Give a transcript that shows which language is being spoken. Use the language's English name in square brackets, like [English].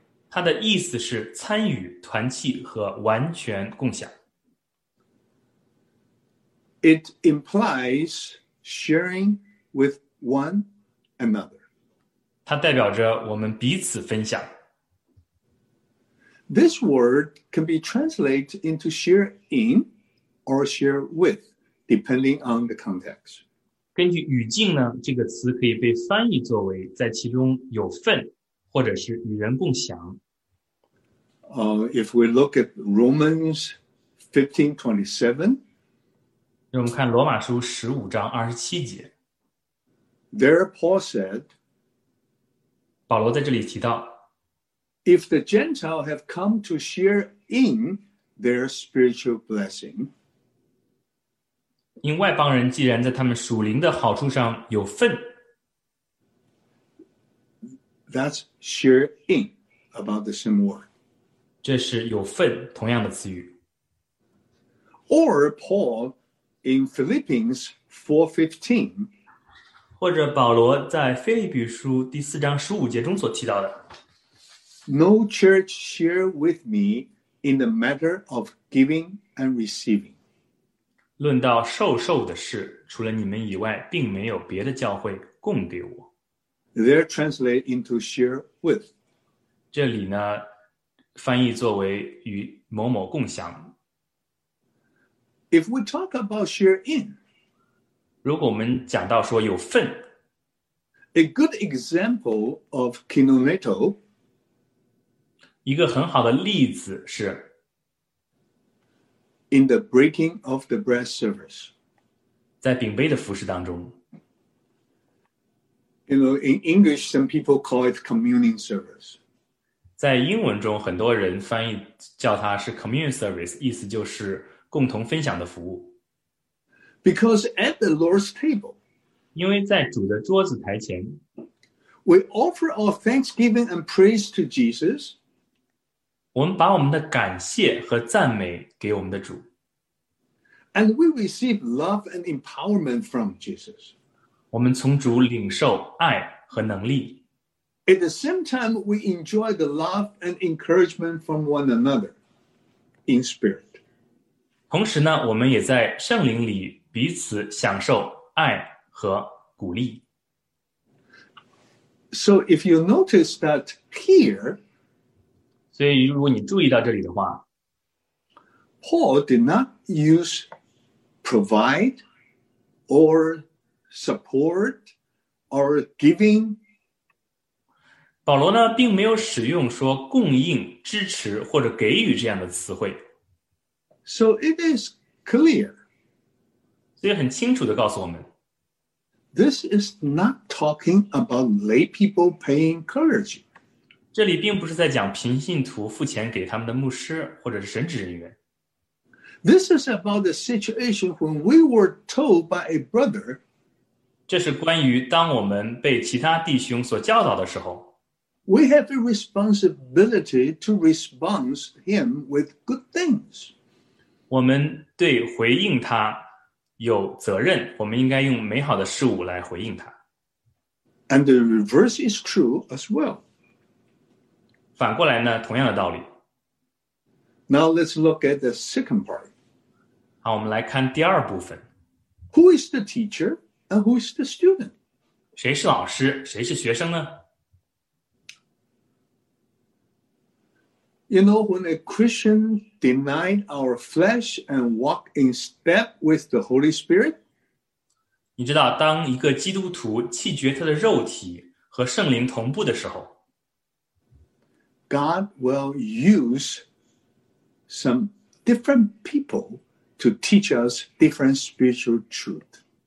[Chinese] 它的意思是参与、团契和完全共享。 [English] It implies sharing with one another. [Chinese] 它代表着我们彼此分享。 [English] This word can be translated into share in or share with, depending on the context. [Chinese] 根据语境呢，这个词可以被翻译作为在其中有份，或者是与人共享。 [English] If we look at Romans 15:27, [Chinese] 我们看罗马书15:27, [English] there Paul said, [Chinese] 保罗在这里提到。 [English] If the Gentile have come to share in their spiritual blessing, [Chinese] 因外邦人既然在他们属灵的好处上有份， [English] that's share in about the same word. [Chinese] 这是有份同样的词语。 [English] Or Paul in Philippians 4:15, [Chinese] 或者保罗在腓立比书4:15中所提到的。 [English] No church share with me in the matter of giving and receiving. [Chinese] 论到受受的事，除了你们以外，并没有别的教会供给我。 [English] They're translated into share with. [Chinese] 这里呢，翻译作为与某某共享。 [English] If we talk about share in, [Chinese] 如果我们讲到说有份， [English] a good example of kinoneto. [Chinese] 一个很好的例子是 [English] in the breaking of the bread service, [Chinese] 在饼杯的服事当中。 [English] You know, in English, some people call it communion service. [Chinese] 在英文中，很多人翻译叫它是 [English] communion service, [Chinese] 意思就是共同分享的服务。 [English] Because at the Lord's table, [Chinese] 因为在主的桌子台前， [English] we offer our thanksgiving and praise to Jesus. [Chinese] 我们把我们的感谢和赞美给我们的主。 [English] And we receive love and empowerment from Jesus. [Chinese] 我们从主领受爱和能力。 [English] At the same time, we enjoy the love and encouragement from one another in spirit. [Chinese] 同时呢，我们也在圣灵里彼此享受爱和鼓励。 [English] So if you notice that here, [Chinese] 所以如果你注意到这里的话， [English] Paul did not use provide or support or giving. [Chinese] 保罗呢并没有使用说供应、支持或者给予这样的词汇。 [English] So it is clear. [Chinese] 所以很清楚地告诉我们， [English] This is not talking about lay people paying clergy. [Chinese] 这里并不是在讲贫信徒付钱给他们的牧师或者是神职人员。 [English] This is about the situation when we were told by a brother. [Chinese] 这是关于当我们被其他弟兄所教导的时候。 [English] We have a responsibility to respond him with good things. [Chinese] 我们对回应他有责任，我们应该用美好的事物来回应他。 [English] And the reverse is true as well. [Chinese] 反过来呢，同样的道理。 [English] Now let's look at the second part. [Chinese] 好，我们来看第二部分。 [English] Who is the teacher and who is the student? [Chinese] 谁是老师，谁是学生呢？ [English] You know, when a Christian denied our flesh and walked in step with the Holy Spirit? [Chinese] 你知道，当一个基督徒弃绝他的肉体和圣灵同步的时候， [English] God will use some different people to teach us different spiritual truth.